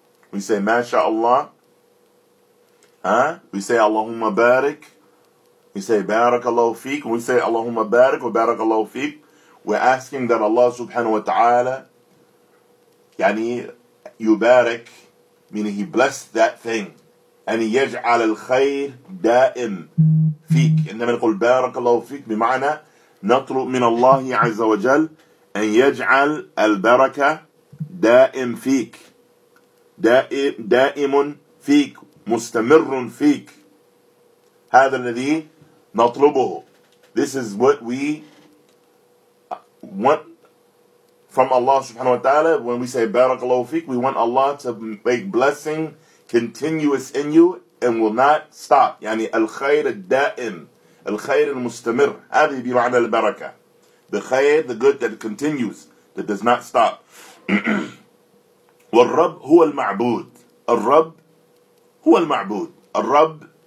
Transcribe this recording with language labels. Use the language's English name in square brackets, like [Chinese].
[English] We say, MashaAllah. Huh? We say, Allahumma barak. We say, Barakallahu fik. We say, Allahumma barak. Or Barakallahu fik. We're asking that Allah subhanahu wa ta'ala, yani, yubarak, meaning He blessed that thing. [Arabic] أن يجعل الخير دائم فيك إنما نقول بارك الله فيك بمعنى نطلب من الله عز وجل أن يجعل البركة دائم فيك دائم فيك مستمر فيك هذا الذي نطلبه [English] This is what we want from Allah [Arabic] سبحانه وتعالى [English] When we say [Arabic] بارك الله فيك [English] We want Allah to make blessing continuous in you and will not stop. [Arabic] يعني الخير الدائم الخير المستمر هذه بمعنى البركة [English] the خير the good that continues that does not stop [Arabic] والرب هو المعبود الرب هو المعبود الرب